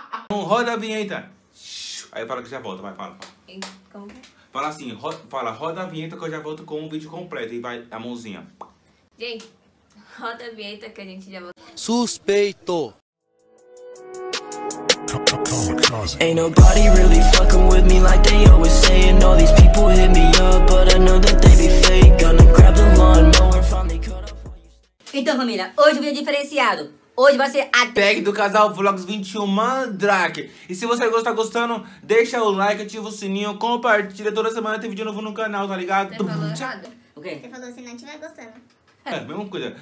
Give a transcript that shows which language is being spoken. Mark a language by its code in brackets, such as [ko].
[pt] Roda a vinheta. Aí fala que já volta, vai, fala. Como que? Fala assim, fala, roda a vinheta que eu já volto com o vídeo completo. E vai a mãozinha. Gente, roda a vinheta que a gente já volta. Suspeito. [en] Ain't nobody really fucking with me like they always saying. All these people hit me up, but I know that they be fake. Gonna grab the lawnmower, finally cut off. [pt] Então, família, hoje o vídeo é diferenciado. Hoje vai ser a tag do Casal Vlogs 21 Mandrake. E se você está gostando, deixa o like, ativa o sininho, compartilha. Toda semana tem vídeo novo no canal, tá ligado? Você falou errado. O quê? Você falou se não estiver gostando. É, mesma coisa.